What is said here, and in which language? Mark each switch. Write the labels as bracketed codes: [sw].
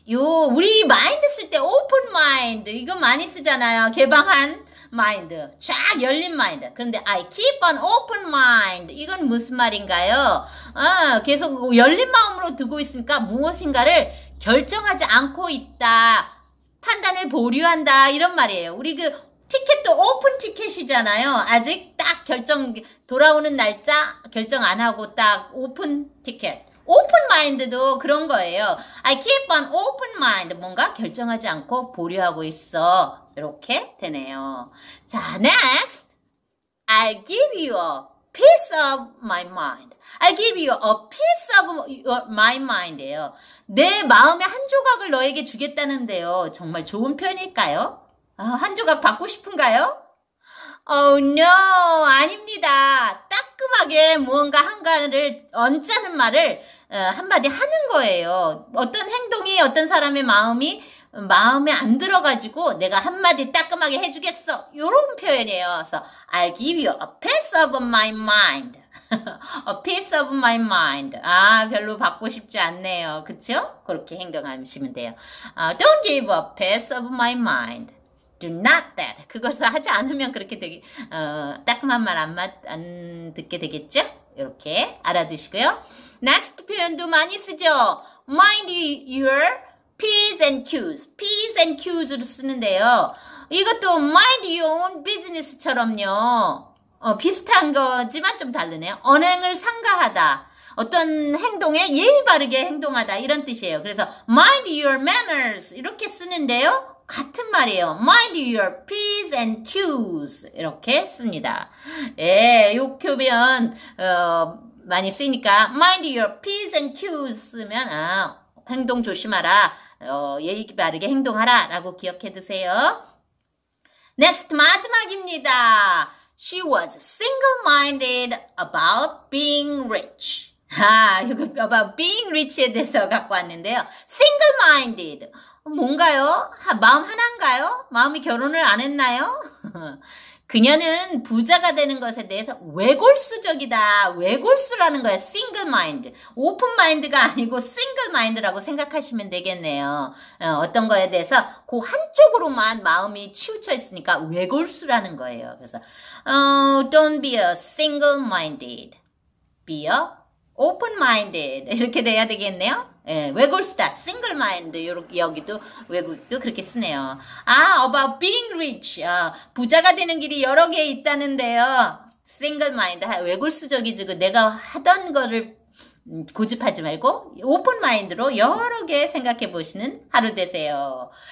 [ko] 요, 우리 마인드 쓸때 [en] open mind. [ko] 이거 많이 쓰잖아요. 개방한 마인드. 쫙 열린 마인드. 그런데 [en] I keep an open mind. [ko] 이건 무슨 말인가요? 계속 열린 마음으로 두고 있으니까 무엇인가를 결정하지 않고 있다. 판단을 보류한다. 이런 말이에요. 우리 그 티켓도 오픈 티켓이잖아요. 아직 딱 결정, 돌아오는 날짜 결정 안 하고 딱 오픈 티켓. 오픈 마인드도 그런 거예요. [en] I keep an open mind. [ko] 뭔가 결정하지 않고 보류하고 있어. 이렇게 되네요. 자, next. [en] I give you a piece of my mind. I give you a piece of my mind예요. [ko] 내 마음의 한 조각을 너에게 주겠다는데요. 정말 좋은 표현일까요? 한 조각 받고 싶은가요? [en] Oh no, [ko] 아닙니다. 따끔하게 무언가 한 가지를 얹자는 말을 한마디 하는 거예요. 어떤 행동이 어떤 사람의 마음에 안 들어가지고 내가 한마디 따끔하게 해주겠어. 요런 표현이에요. 그래서 [en] I'll give you a piece of my mind. A piece of my mind. [ko] 아, 별로 받고 싶지 않네요. 그쵸? 그렇게 행동하시면 돼요. [en] Don't give a piece of my mind. Do not that. [ko] 그것을 하지 않으면 그렇게 되게 따끔한 말안 듣게 되겠죠? 이렇게 알아두시고요. Next 표현도 많이 쓰죠? [en] Mind your P's and Q's. P's and Q's로 [ko] 쓰는데요. 이것도 [en] mind your own business처럼요. [ko] 비슷한 거지만 좀 다르네요. 언행을 상가하다. 어떤 행동에 예의 바르게 행동하다. 이런 뜻이에요. 그래서 [en] mind your manners. [ko] 이렇게 쓰는데요. 같은 말이에요. [en] Mind your P's and Q's. [ko] 이렇게 씁니다. 예, 요 표현, 많이 쓰니까, [en] Mind your P's and Q's [ko] 쓰면, 행동 조심하라. 예의 바르게 행동하라. 라고 기억해 두세요. Next, 마지막입니다. [en] She was single-minded about being rich. [ko] 이거 봐봐, [en] being rich [ko] 에 대해서 갖고 왔는데요. single-minded. 뭔가요? 마음 하나인가요? 마음이 결혼을 안 했나요? 그녀는 부자가 되는 것에 대해서 외골수적이다. 외골수라는 거야. single-minded. 오픈마인드가 아니고 single-minded라고 생각하시면 되겠네요. 어떤 거에 대해서 그 한쪽으로만 마음이 치우쳐 있으니까 외골수라는 거예요. 그래서, [en] don't be a single-minded. be a open-minded [ko] 이렇게 돼야 되겠네요. 예, 외골수다. single-minded 이렇게 여기도 외국도 그렇게 쓰네요. [en] about being rich. [ko] 부자가 되는 길이 여러 개 있다는데요. single-minded 외골수적이지고 내가 하던 거를 고집하지 말고 오픈마인드로 여러 개 생각해 보시는 하루 되세요.